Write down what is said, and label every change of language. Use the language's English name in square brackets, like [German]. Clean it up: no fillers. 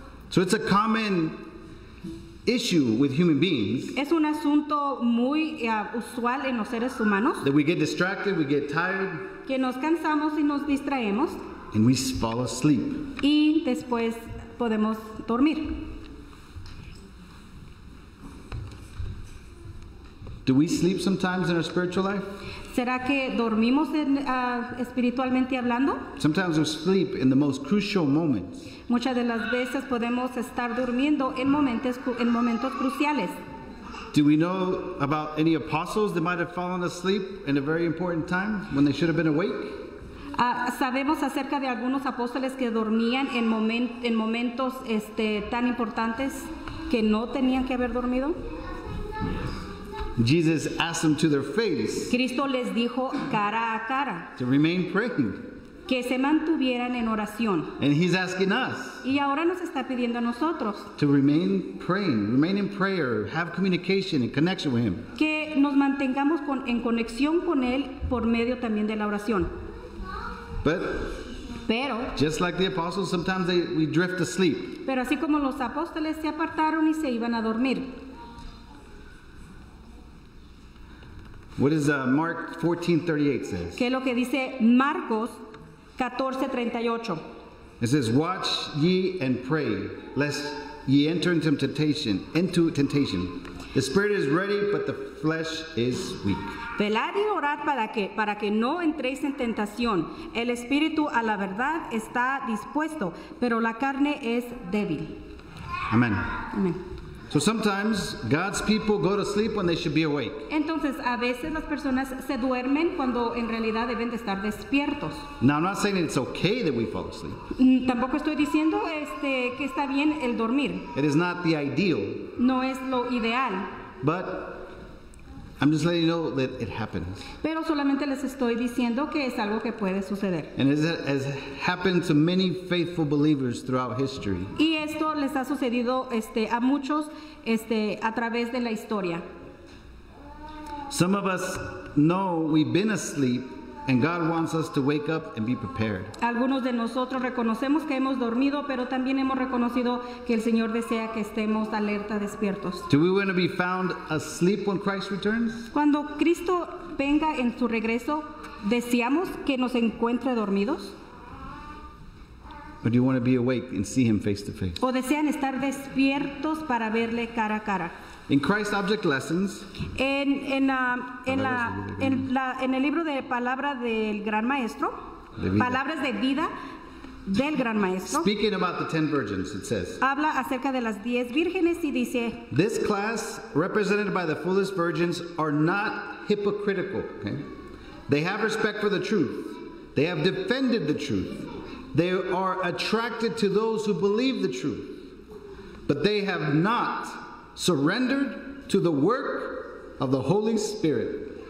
[English] So it's a common issue with human beings. [Spanish] Es un asunto muy usual en los seres humanos. [English] That we get distracted, we get tired. [Spanish] Que nos cansamos y nos distraemos. [English] And we fall asleep. [Spanish] Y después podemos dormir. [English] Do we sleep sometimes in our spiritual life? [Spanish] ¿Será que dormimos en, espiritualmente hablando? [English] Sometimes we sleep in the most crucial moments. [Spanish] Muchas de las veces podemos estar durmiendo en momentos cruciales. [English] Do we know about any apostles that might have fallen asleep in a very important time when they should have been awake? [Spanish] ¿Sabemos acerca de algunos apóstoles que dormían en momentos tan importantes que no tenían que haber dormido? [English] Jesus asked them to their face. [Spanish] Cristo les dijo cara a cara. [English] To remain praying. [Spanish] Que se mantuvieran en oración. [English] And he's asking us. [Spanish] Y ahora nos está pidiendo a nosotros. [English] To remain praying, remain in prayer, have communication and connection with him. [Spanish] Que nos mantengamos en conexión con él por medio también de la oración. [English] But [Spanish] pero, [English] just like the apostles, sometimes we drift asleep. [Spanish] Pero así como los apóstoles se apartaron y se iban a dormir. [English] What does Mark 14:38 says? [Spanish] ¿Qué es lo que dice Marcos 14:38? [English] It says, "Watch ye and pray, lest ye enter into temptation. The spirit is ready, but the flesh is weak." [Spanish] Velad y orad para que no entréis en tentación. El espíritu a la verdad está dispuesto, pero la carne es débil. [English] Amen. [Spanish] Amen. [English] So sometimes God's people go to sleep when they should be awake. [Spanish] Entonces, a veces las personas se duermen cuando en realidad deben de estar despiertos. [English] Now, I'm not saying it's okay that we fall asleep. [Spanish] Tampoco estoy diciendo que está bien el dormir. [English] It is not the ideal. [Spanish] No es lo ideal. [English] But I'm just letting you know that it happens. [Spanish] Pero solamente les estoy diciendo que es algo que puede suceder. [English] And it has happened to many faithful believers throughout history. [Spanish] Y esto les ha sucedido a muchos a través de la historia. [English] Some of us know we've been asleep and God wants us to wake up and be prepared. [Spanish] Algunos de nosotros reconocemos que hemos dormido, pero también hemos reconocido que el Señor desea que estemos alerta, despiertos. [English] Do we want to be found asleep when Christ returns? [Spanish] Cuando Cristo venga en su regreso, ¿deseamos que nos encuentre dormidos? [English] Or do you want to be awake and see him face to face? [Spanish] ¿O desean estar despiertos para verle cara a cara? [English] In Christ Object Lessons, [Spanish] en el libro de palabra del gran maestro, palabras de vida del gran maestro. [English] Speaking about the 10 virgins, it says. [Spanish] Habla acerca de las 10 vírgenes y dice. [English] This class, represented by the foolish virgins, are not hypocritical. Okay? They have respect for the truth. They have defended the truth. They are attracted to those who believe the truth, but they have not surrendered to the work of the Holy Spirit.